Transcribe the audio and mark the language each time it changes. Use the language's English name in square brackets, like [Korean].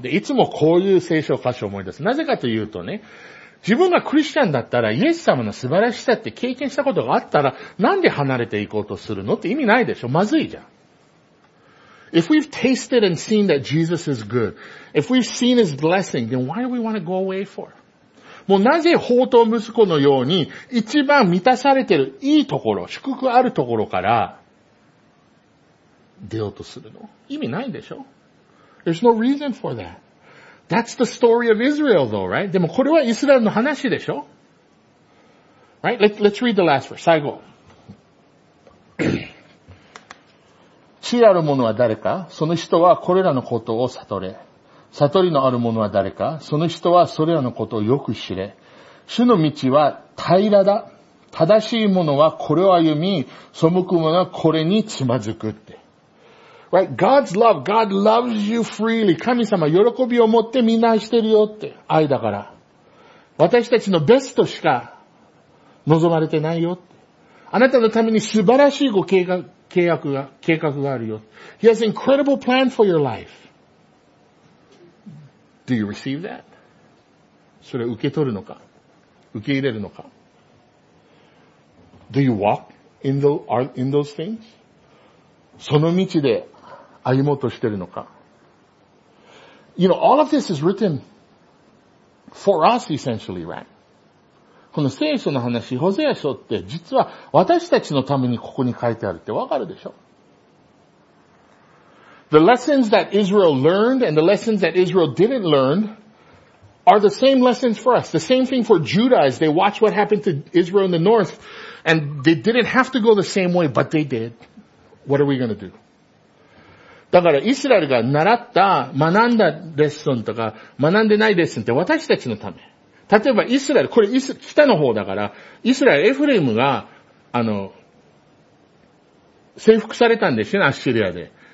[Japanese] で、いつもこういう聖書箇所を思い出す。なぜかというとね、自分がクリスチャンだったら、イエス様の素晴らしさって経験したことがあったら、なんで離れていこうとするのって意味ないでしょ。まずいじゃん。 [English] If we've tasted and seen that Jesus is good, if we've seen his blessing, then why do we want to go away for? [Japanese] もうなぜ放蕩息子のように一番満たされているいいところ、祝福あるところから出ようとするの？意味ないでしょ？ [English] There's no reason for that. That's the story of Israel though, right? [Japanese] でもこれはイスラエルの話でしょ？ [English] Right? Let's read the last verse. [Japanese] 最後。知あるものは誰か、その人はこれらのことを悟れ。悟りのあるものは誰か、その人はそれらのことをよく知れ。主の道は平らだ。正しいものはこれを歩み、背く者はこれにつまずくって。 [English] Right? God's love. God loves you freely. [Japanese] 神様、喜びを持ってみんな愛してるよって。愛だから。私たちのベストしか望まれてないよって。あなたのために素晴らしいご計画。計画があるよ。 [English] He has an incredible plan for your life. Do you receive that? [Japanese] それ受け取るのか、受け入れるのか。 [English] Do you walk in those things? [Japanese] その道で歩もうとしているのか? [English] You know, all of this is written for us essentially, right? [Japanese] この聖書の話、ホゼア書って実は私たちのためにここに書いてあるってわかるでしょ? [English] The lessons that Israel learned and the lessons that Israel didn't learn are the same lessons for us. The same thing for Judah as they watch what happened to Israel in the north and they didn't have to go the same way, but they did. What are we going to do? [Japanese] だからイスラエルが習った、学んだレッスンとか、学んでないレッスンって私たちのため。例えばイスラエル、これ北の方だから、イスラエル、エフレムが、征服されたんですよね、アッシリアで。